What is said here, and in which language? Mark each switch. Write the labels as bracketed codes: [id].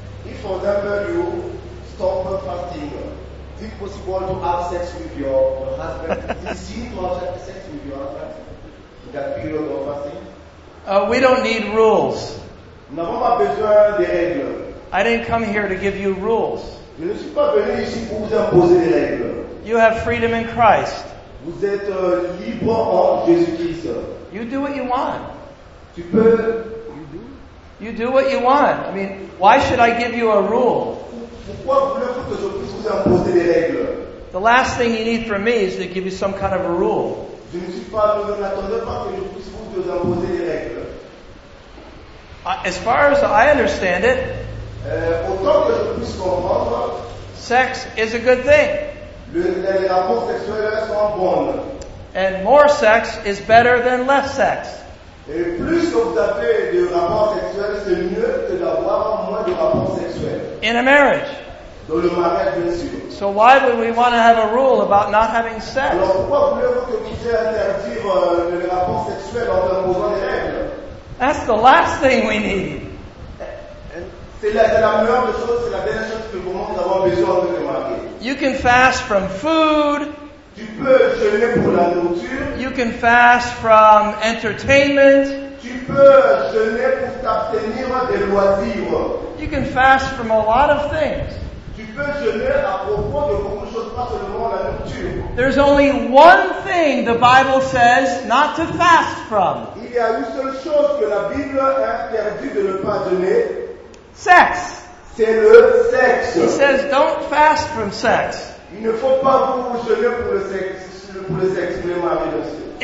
[en] If, for example, you stop fasting, is it possible to have sex with your husband? Is it seen to have sex with your husband in that period of fasting? We don't need rules. [fr] Nous n'avons pas besoin de règles. [en] I didn't come here to give you rules. [fr] Je ne suis pas venu ici pour vous imposer des règles. [en] You have freedom in Christ. [fr] Vous êtes libre en Jésus-Christ. [en] You do what you want. [fr] Tu peux. [en] You do what you want. I mean, why should I give you a rule? [fr] Pourquoi voulez-vous que je puisse vous imposer des règles? [en] The last thing you need from me is to give you some kind of a rule. [fr] Je ne suis pas venu, n'attendez pas que je puisse vous imposer des règles. [en] As far as I understand it, [fr] autant que je puisse comprendre, [en] sex is a good thing. [fr] Les rapports sexuels sont bons. [en] And more sex is better than less sex. [fr] Et plus que vous avez de rapports sexuels, c'est mieux que d'avoir moins de rapports sexuels. [en] In a marriage. [fr] Dans le mariage, bien sûr. [en] So why would we want to have a rule about not having sex? [fr] Alors pourquoi voulez-vous que vous interdire les rapports sexuels en imposant des règles? [en] That's the last thing we need. [fr] C'est la meilleure chose, c'est la dernière chose que vous manquez d'avoir besoin de le marier. [en] You can fast from food. [fr] Tu peux jeûner pour la nourriture. [en] You can fast from entertainment. [fr] Tu peux jeûner pour t'abstenir des loisirs. [en] You can fast from a lot of things. [fr] Tu peux jeûner à propos de beaucoup de choses, pas seulement la nourriture. [en] There's only one thing the Bible says not to fast from. [fr] Il y a une seule chose que la Bible interdit de ne pas jeûner. [en] Sex. [fr] C'est le sexe. [en] He says don't fast from sex. [fr] Il ne faut pas vous jeûner pour le sexe, mais marié aussi.